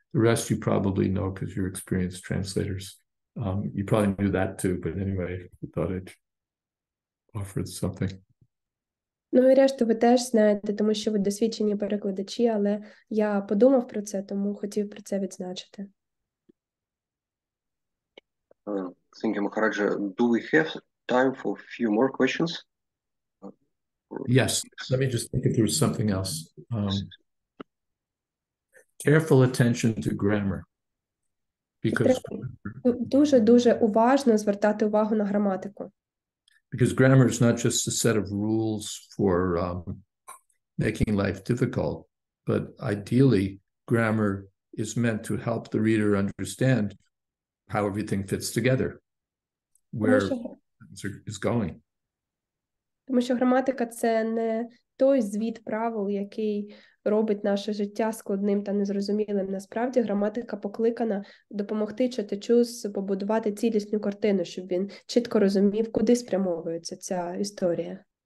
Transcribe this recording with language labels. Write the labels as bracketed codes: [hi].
[en] The rest you probably know because you're experienced translators. You probably knew that too, but anyway, I thought it offered something. [uk] Ну, і решту ви теж знаєте, тому що ви досвідчені перекладачі, але я подумав про це, тому хотів про це відзначити. [en] Thank you, Махараджа. Do we have time for a few more questions? Yes. Let me just think if there was something else. Careful attention to grammar. [uk] Дуже-дуже уважно звертати увагу на граматику. [en] Because grammar is not just a set of rules for making life difficult, but ideally grammar is meant to help the reader understand how everything fits together, where it's going. [uk] Тому що граматика – це не той звіт правил, який робить наше життя складним та незрозумілим. Насправді граматика покликана допомогти читачу побудувати цілісну картину, щоб він чітко розумів, куди спрямовується ця історія.